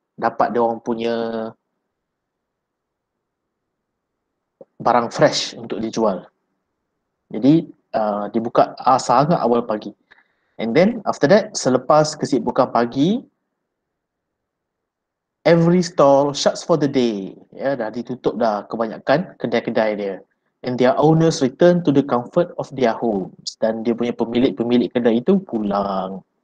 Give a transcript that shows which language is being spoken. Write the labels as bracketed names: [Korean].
[Malay] Dapat dia orang punya barang fresh untuk dijual. Jadi dibuka sangat awal pagi. [English] And then after that, [Malay] selepas kesibukan pagi, [English] every stall shuts for the day. [Malay] Ya, dah ditutup dah kebanyakan kedai-kedai dia. [English] And their owners return to the comfort of their homes. [Malay] Dan dia punya pemilik-pemilik kedai itu pulang.